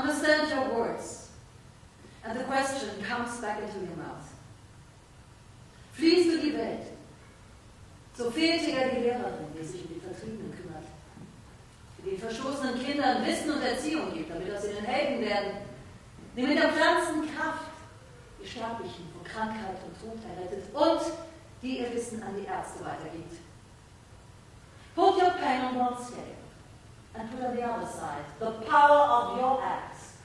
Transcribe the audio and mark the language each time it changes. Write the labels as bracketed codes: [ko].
[en] and the question comes back into your mouth. [de] Fliehst du die Welt, so fehlt dir ja die Lehrerin, die sich um die Vertriebenen kümmert, die den verstoßenen Kindern Wissen und Erziehung gibt, damit aus ihnen Helden werden, die mit der Pflanzenkraft die Sterblichen von Krankheit und Tod errettet und die ihr Wissen an die Ärzte weitergibt. [en] Put your pain on one scale and put on the other side the power of your acts.